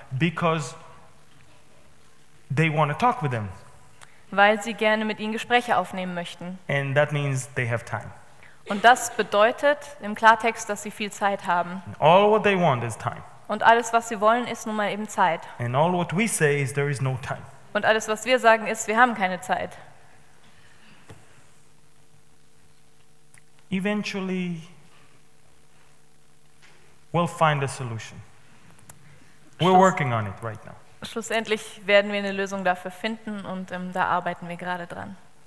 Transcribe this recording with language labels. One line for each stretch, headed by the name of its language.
English: Because they want to talk with them,
German: weil sie gerne mit ihnen Gespräche aufnehmen möchten.
English: And that means they have time.
German: Und das bedeutet im Klartext, dass sie viel Zeit haben.
English: All what they want is time.
German: Und alles, was sie wollen, ist nun mal eben Zeit.
English: And all what we say is there is no time.
German: Und alles, was wir sagen, ist, wir haben keine Zeit.
English: Eventually we'll find a solution. We're working on it right now.
German: Schlussendlich werden wir eine Lösung dafür finden und da arbeiten wir gerade dran.